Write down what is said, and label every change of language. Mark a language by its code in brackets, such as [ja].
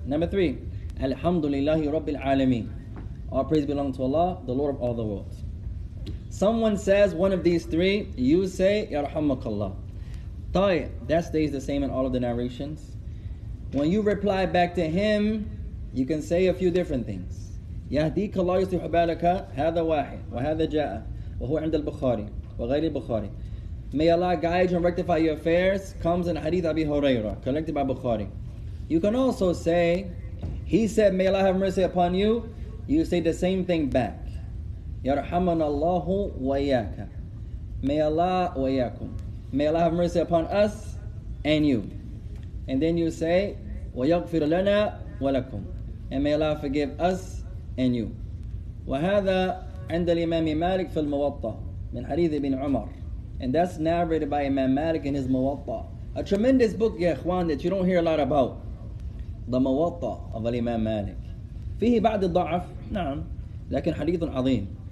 [en] Number three, [ar] Alhamdulillahi Rabbil Alameen. [en] All praise belong to Allah, the Lord of all the worlds. Someone says one of these three, you say, Yarhamakallah. طيب, that stays the same in all of the narrations. When you reply back to him, you can say a few different things. [ar] يهديك الله يصلح بالك هذا واحد وهذا جاء وهو عند البخاري وغير البخاري. [en] May Allah guide and rectify your affairs comes in Hadith Abi Huraira, collected by Bukhari. You can also say, he said, may Allah have mercy upon you. You say the same thing back. [ar] يرحمنا الله وياك. [en] May Allah وياكم. May Allah have mercy upon us and you. And then you say, [ar] وَيَغْفِرُ لَنَا وَلَكُمْ [en] And may Allah forgive us and you. [ar] وَهَذَا عِنْدَ الْإِمَامِ مَالِكِ فِي الْمُوَطَّةِ مِنْ حَدِيثِ بِنْ عُمَرِ [en] And that's narrated by Imam Malik in his Muwatta. A tremendous book, [ar] يا إخوان, [en] that you don't hear a lot about. The Muwatta of Imam Malik. [ar] فيه بعض الضعف, نعم, لكن حديث عظيم.